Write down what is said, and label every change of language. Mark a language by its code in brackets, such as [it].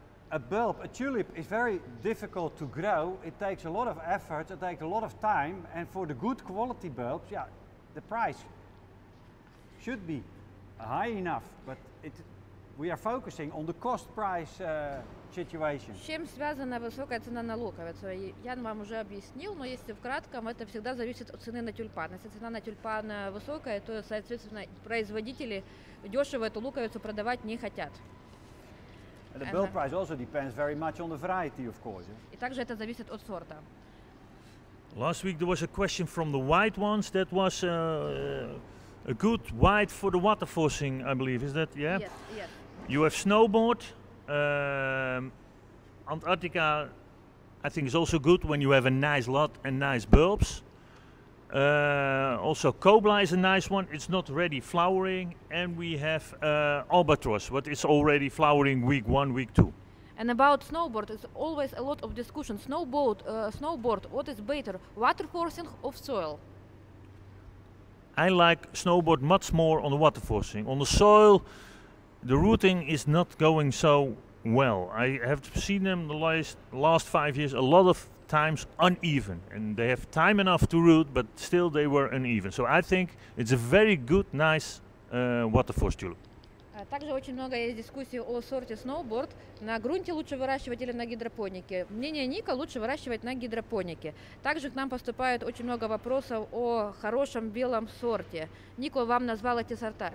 [en] A bulb, a tulip, is very difficult to grow. It takes a lot of effort, it takes a lot of time, and for the good quality bulbs, yeah, the price should be high enough, but it We are focusing on the cost price situation. [ru] Чем связана высокая цена на луковицу? Я вам уже объяснил, но если в кратком, это всегда зависит от цены на тюльпан. Если цена на тюльпан высокая, то, соответственно, производители дешево эту луковицу продавать не хотят. [en] And the bulk price also depends very much on the variety, of course. [ru] И также это зависит от сорта. [en] Last week there was a question from the white ones that was a good white for the water forcing, I believe. Is that, yeah? Yes. You have snowboard. Antarctica, I think, is also good when you have a nice lot and nice bulbs. Also, Cobla is a nice one. It's not ready flowering. And we have Albatross, but it's already flowering week one, week two. And about snowboard, it's always a lot of discussion. Snowboard, what is better, water forcing or soil? I like snowboard much more on the water forcing. On the soil, the rooting is not going so well. I have seen them the last 5 years a lot of times uneven. And they have time enough to root, but still they were uneven. So I think it's a very good, nice water forced tulip. [ru] Также очень много есть дискуссий о сорте сноуборд. На грунте лучше выращивать или на гидропонике? Мнение Ника, лучше выращивать на гидропонике. Также к нам поступает очень много вопросов о хорошем белом сорте. Нико вам назвал эти сорта.